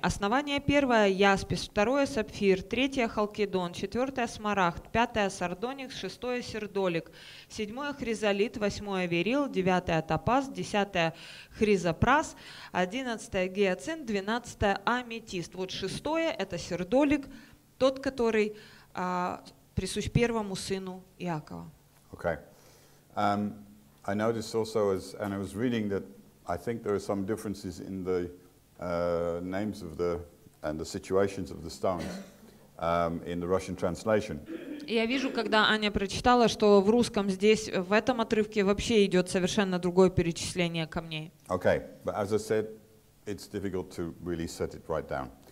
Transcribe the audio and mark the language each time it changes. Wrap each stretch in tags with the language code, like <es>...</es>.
<ru>Основание первое — яспис, второе — сапфир, третье — халкидон, четвертое — смарагд, пятое — сардоникс, шестое — сердолик, седьмое — хризолит, восьмое — верил, девятое — топаз, десятое — хризопрас, одиннадцатое — гиацинт, двенадцатое — аметист. Вот шестое — это сердолик, тот, который... присущ первому сыну Иакова.</ru> <en>Okay. I noticed also as and I was reading that I think there are some differences in the names of the and the situations of the stones in the Russian translation.</en> <ru>Я вижу, когда Аня прочитала, что в русском здесь в этом отрывке вообще идет совершенно другое перечисление камней.</ru> <en>Okay. But as I said, it's difficult to really set it right down.</en>